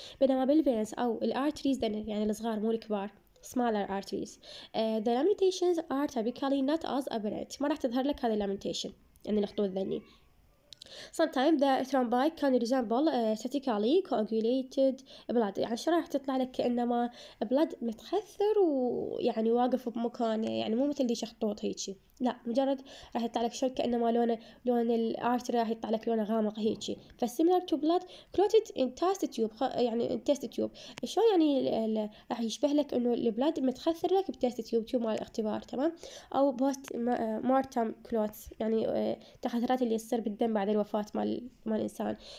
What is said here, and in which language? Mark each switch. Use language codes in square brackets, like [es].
[ar] بينما بالفينز او الارتريز يعني الصغار مو الكبار [en] smaller arteries the lamentations are typically not as apparent. [ar] ما راح تظهر لك هذه lamentation يعني الخطوط الذني. [en] Sometimes the thrombi can resemble statically coagulated blood. [ar] يعني شو راح تطلع لك كأنما blood متخثر ويعني واقف بمكانه يعني مو مثل ذي شخطوط هيجي. لا مجرد راح يطلع لك شو كأنما لون الارتري راح يطلع لك لونه غامق هيجي. ف [en] similar to blood clotted in test tube [ar] يعني test tube. شو يعني راح يشبه لك إنه blood متخثر لك بtest tube tube مال الاختبار تمام. أو post mortem clots يعني التخثرات اللي يصير بالدم بعد الوفاة مال الإنسان.